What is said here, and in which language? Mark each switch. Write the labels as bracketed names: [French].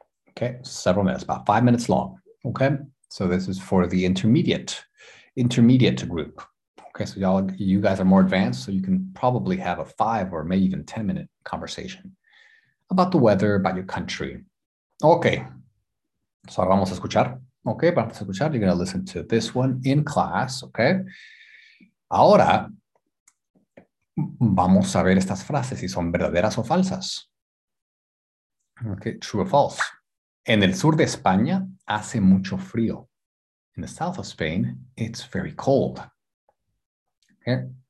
[English] Okay, several minutes, about 5 minutes long. Okay, so this is for the intermediate group. Okay, so you guys are more advanced, so you can probably have a 5 or maybe even 10 minute conversation about the weather, about your country. Okay, so [Spanish] ahora vamos a escuchar. [English] Okay, [Spanish] vamos a escuchar. [English] You're going to listen to this one in class, okay? [Spanish] Ahora, vamos a ver estas frases, si son verdaderas o falsas. Okay, [English] true or false. [Spanish] En el sur de España, hace mucho frío. [English] In the south of Spain, it's very cold. Okay?